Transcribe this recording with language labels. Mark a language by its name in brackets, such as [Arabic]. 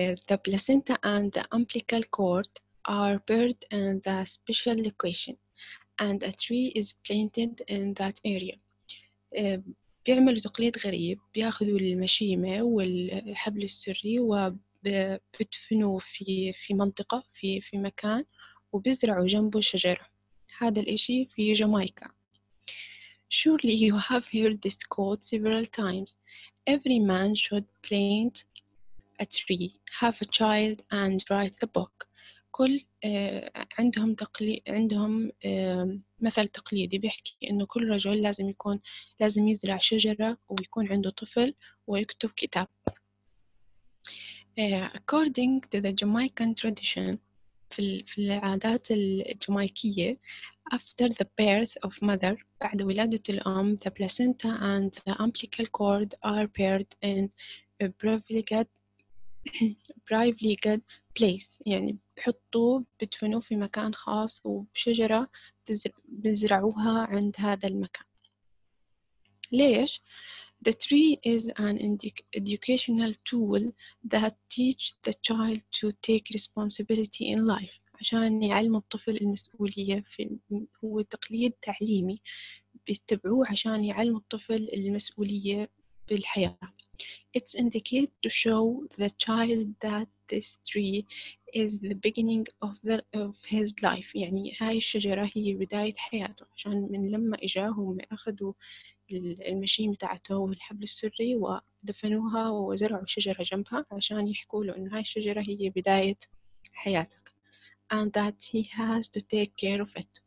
[English] The placenta and the umbilical cord are buried in the special location, and a tree is planted in that area. [Arabic] بيعملوا تقليد غريب، بياخذوا المشيمة والحبل السري وبدفنوا في منطقة في مكان وبزرعوا جنبه شجرة. هذا الإشي في جامايكا. [English] Surely you have heard this quote several times. Every man should plant a tree, have a child, and write the book. [Arabic] كل عندهم تقليد عندهم مثل تقليدي بيحكي إنه كل رجل لازم يكون لازم يزرع شجرة ويكون عنده طفل ويكتب كتاب. [English] According to the Jamaican tradition, [Arabic] في العادات الجامايكية. [English] After the birth of mother, [Arabic] بعد ولادة الأم, [English] the placenta and the umbilical cord are buried in a privately good place. [Arabic] يعني بحطوا بدفنوا في مكان خاص وبشجرة بزرعوها عند هذا المكان. ليش؟ [English] The tree is an educational tool that teach the child to take responsibility in life. [Arabic] عشان يعلم الطفل المسؤولية في هو تقليد تعليمي بيتبعوه عشان يعلم الطفل المسؤولية بالحياة. [English] It's indicated to show the child that this tree is the beginning of his life. [Arabic] يعني هاي الشجرة هي بداية حياته عشان من لما إجاه هم أخذوا المشيمة تاعته والحبل السري ودفنوها وزرعوا شجرة جنبها عشان يحكوا له إن هاي الشجرة هي بداية حياته. [English] And that he has to take care of it.